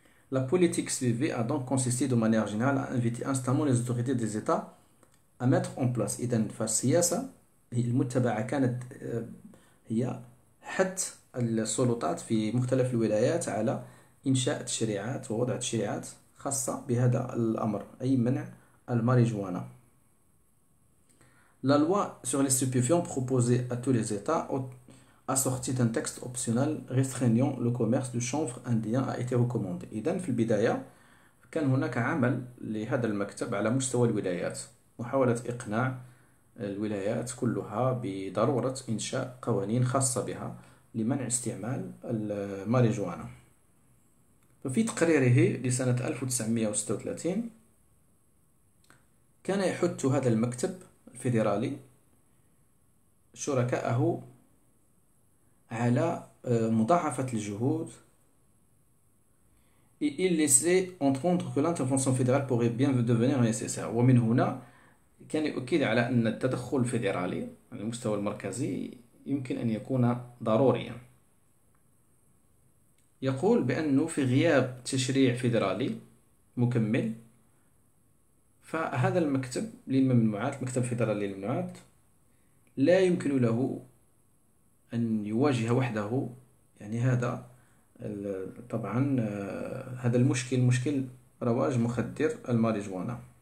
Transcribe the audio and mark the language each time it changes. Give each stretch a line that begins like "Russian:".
French: La politique suivie a donc consisté de manière générale à inviter instamment les autorités des États à mettre en place.
Arabic: إذن فالسياسة المتبعة كانت هي حث السلطات في مختلف الولايات على إنشاء تشريعات ووضع تشريعات خاصة بهذا الأمر، أي منع الماريجوانا.
French: La loi sur les stupéfiants proposée à tous les États a sorti d'un texte optionnel restreignant le commerce du chanvre indien a été recommandée.
Arabic: إذن في البداية كان هناك عمل لهذا المكتب على مستوى الولايات، محاولة إقناع الولايات كلها بضرورة إنشاء قوانين خاصة بها لمنع استعمال الماريجوانا. ففي تقريره لسنة 1936 كان يحث هذا المكتب الفيدرالي شركائه على مضاعفة الجهود.
French: Il laissait entendre que l'intervention fédérale pourrait bien devenir nécessaire.
Arabic: ومن هنا كان يؤكد على أن التدخل الفيدرالي على المستوى المركزي يمكن أن يكون ضروريا. يقول بأنه في غياب تشريع فيدرالي مكمل فهذا المكتب للممنوعات، مكتب فيدرالي للممنوعات، لا يمكن له أن يواجه وحده يعني هذا طبعا هذا المشكل، مشكل رواج مخدر الماريجوانا.